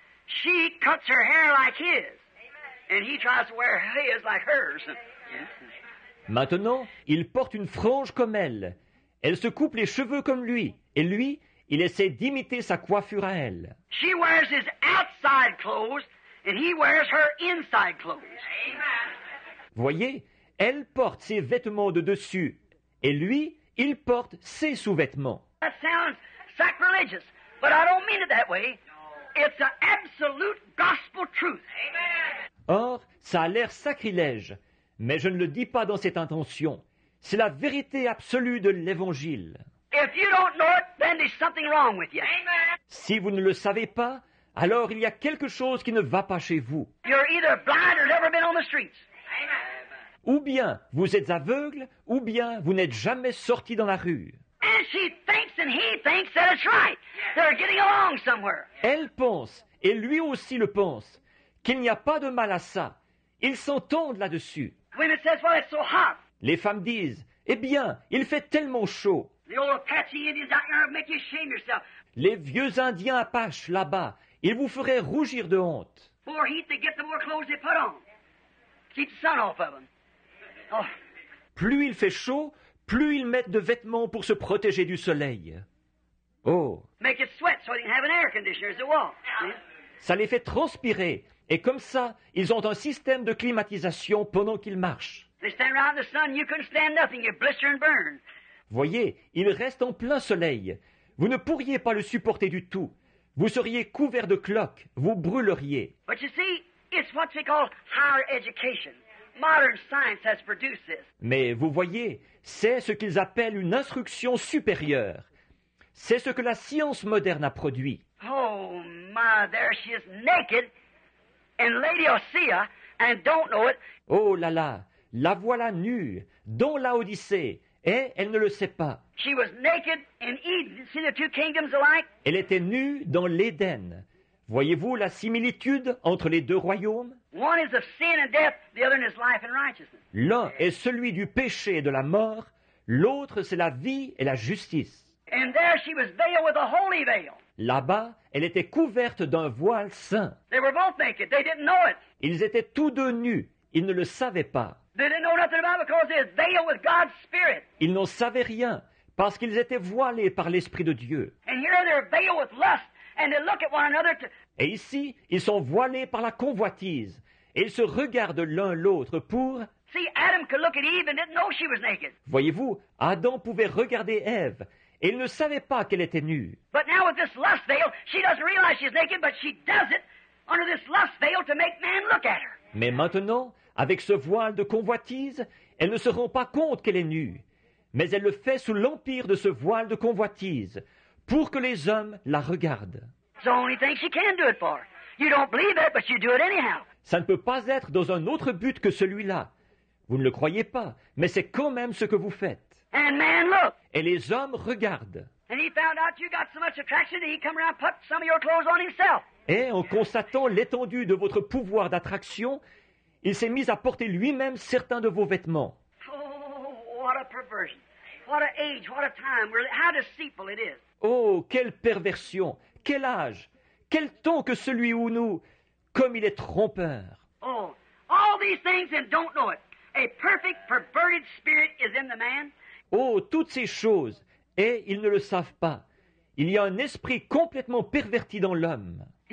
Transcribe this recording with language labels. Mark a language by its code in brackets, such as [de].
[en] She cuts her hair like his. And he tries to wear his like hers. [fr] Maintenant, il porte une frange comme elle. Elle se coupe les cheveux comme lui. Et lui, il essaie d'imiter sa coiffure à elle. [en] She wears his outside clothes and he wears her inside clothes. Amen. [fr] Voyez, elle porte ses vêtements de dessus. Et lui, il porte ses sous-vêtements. [en] That sounds sacrilegious, but I don't mean it that way. It's an absolute gospel truth. Amen. [fr] Or, ça a l'air sacrilège, mais je ne le dis pas dans cette intention. C'est la vérité absolue de l'Évangile. [en] If you don't know it, then there's something wrong with you. Amen. [fr] Si vous ne le savez pas, alors il y a quelque chose qui ne va pas chez vous. [en] You're either blind or never been on the streets. Amen. [fr] Ou bien vous êtes aveugle, ou bien vous n'êtes jamais sorti dans la rue. [en] And she thinks and he thinks that it's right. They're getting along somewhere. [fr] Elle pense, et lui aussi le pense, qu'il n'y a pas de mal à ça. Ils s'entendent là-dessus. [en] Women says, well, it's so hot. [fr] Les femmes disent, eh bien, il fait tellement chaud. [en] The old Apache Indians out here make you shame yourself. [fr] Les vieux Indiens Apaches là-bas, ils vous feraient rougir de honte. [en] More heat they get, the more clothes they put on. Keep the sun off of them. Oh. [fr] Plus il fait chaud, plus ils mettent de vêtements pour se protéger du soleil. Oh! [en] Make it sweat so they can have an air conditioner as they walk. [fr] Ça les fait transpirer. Et comme ça, ils ont un système de climatisation pendant qu'ils marchent. [en] They stand around the sun, you couldn't stand nothing, you blister and burn. [fr] Voyez, ils restent en plein soleil. Vous ne pourriez pas le supporter du tout. Vous seriez couvert de cloques, vous brûleriez. [en] But you see, it's what they call higher education. Modern science has produced this. [fr] Mais vous voyez, c'est ce qu'ils appellent une instruction supérieure. C'est ce que la science moderne a produit. [en] Oh, my, there she is, naked. in Laodicea and don't know it. [fr] Oh là là, la voilà nue dans Laodicée et elle ne le sait pas. [en] She was naked in Eden. See the two kingdoms alike? [fr] Elle était nue dans l'Éden. Voyez-vous la similitude entre les deux royaumes? [en] One is of sin and death, the other is life and righteousness. [fr] L'un est celui du péché et de la mort, l'autre c'est la vie et la justice. [en] And there she was veiled with a holy veil. [fr] Là-bas, elle était couverte d'un voile saint. [en] They were both naked. They didn't know it. [fr] Ils étaient tous deux nus. Ils ne le savaient pas. [en] They didn't know nothing about it because they were veiled with God's Spirit. [fr] Ils n'en savaient rien parce qu'ils étaient voilés par l'Esprit de Dieu. [en] And here they're veiled with lust. And they look at one another to... [fr] Et ici, ils sont voilés par la convoitise. Et ils se regardent l'un l'autre pour... [en] See, Adam could look at Eve and didn't know she was naked. [fr] Voyez-vous, Adam pouvait regarder Ève. Et il ne savait pas qu'elle était nue. [en] But now with this lust veil, she doesn't realize she's naked, but she does it under this lust veil to make man look at her. [fr] Mais maintenant, avec ce voile de convoitise, elle ne se rend pas compte qu'elle est nue. Mais elle le fait sous l'empire de ce voile de convoitise, pour que les hommes la regardent. [en] It's the only thing she can do it for. You don't believe it, but you do it anyhow. [fr] Ça ne peut pas être dans un autre but que celui-là. Vous ne le croyez pas, mais c'est quand même ce que vous faites. [en] And man look. [fr] Et les hommes regardent. [en] And he found out you got so much attraction that he come around and put some of your clothes on himself. [fr] Et en constatant l'étendue de votre pouvoir d'attraction, il s'est mis à porter lui-même certains de vos vêtements. [en] Oh, what a perversion. What an age, what a time. How deceitful it is. [fr] Oh, quelle perversion. Quel âge. Quel temps que celui où nous. Comme il est trompeur. [en] Oh, all these things and don't know it. A perfect perverted spirit is in the man. [fr] Oh, toutes ces choses, et ils ne le savent pas. Il y a un esprit complètement perverti dans l'homme.